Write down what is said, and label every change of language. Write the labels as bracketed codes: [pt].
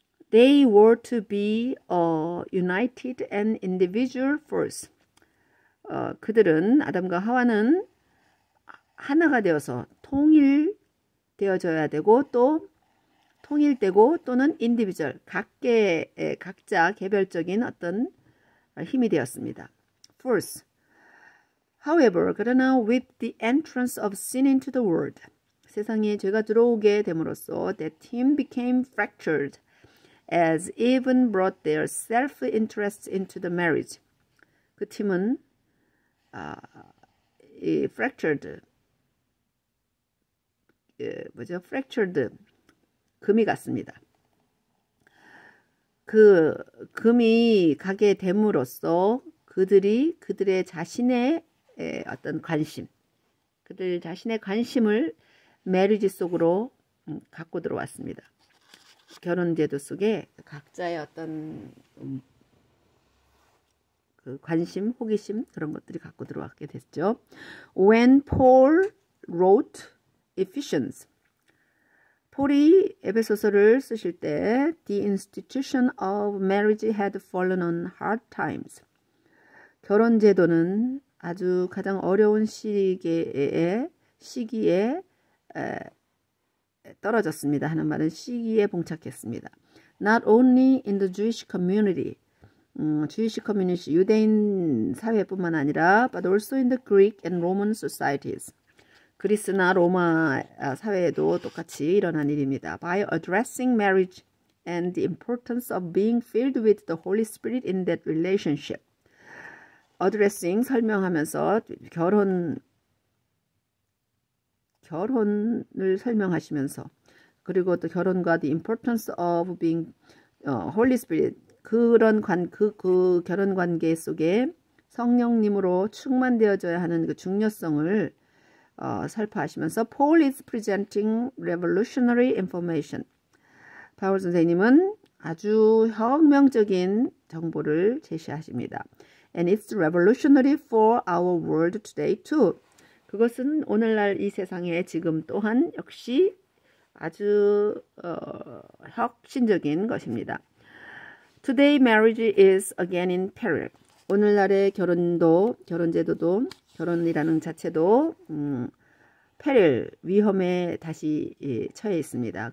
[en] They were to be a united and individual force. [ko] 그들은 아담과 하와는 하나가 되어서 통일되어져야 되고 또 통일되고 또는 individual 각자 개별적인 어떤 힘이 되었습니다. [en] Force. However, [ko] 그러나 [en] with the entrance of sin into the world. [ko] 세상에 죄가 들어오게 됨으로써 [en] the team became fractured as even brought their self-interest into the marriage. [ko] 그 팀은 이 fractured 뭐죠? fractured 금이 갔습니다. 그 금이 가게 됨으로써 그들이 그들의 자신의 어떤 관심, 그들 자신의 관심을 메리지 속으로 갖고 들어왔습니다. 결혼 제도 속에 각자의 어떤 그 관심, 호기심 그런 것들이 갖고 들어왔게 됐죠. [en] When Paul wrote Ephesians, [ko] 폴이 에베소서를 쓰실 때, [en] The institution of marriage had fallen on hard times. [ko] 결혼 제도는 아주 가장 어려운 시기에 떨어졌습니다 하는 말은 시기에 봉착했습니다. [en] Not only in the Jewish community, Jewish community, [ko] 유대인 사회뿐만 아니라, [en] but also in the Greek and Roman societies. [ko] 그리스나 로마 사회에도 똑같이 일어난 일입니다. [en] By addressing marriage and the importance of being filled with the Holy Spirit in that relationship. [ko] Addressing 설명하면서 결혼을 설명하시면서 그리고 또 결혼과 [en] the importance of being Holy Spirit [ko] 그 결혼 관계 속에 성령님으로 충만되어져야 하는 그 중요성을 설파하시면서 [en] Paul is presenting revolutionary information. [ko] 바울 선생님은 아주 혁명적인 정보를 제시하십니다. [en] And it's revolutionary for our world today too. [ko] 그것은 오늘날 이 세상에 지금 또한 역시 아주 혁신적인 것입니다. [en] Today marriage is again in peril. [ko] 오늘날의 결혼 제도도 결혼이라는 자체도 peril 위험에 다시 처해 있습니다.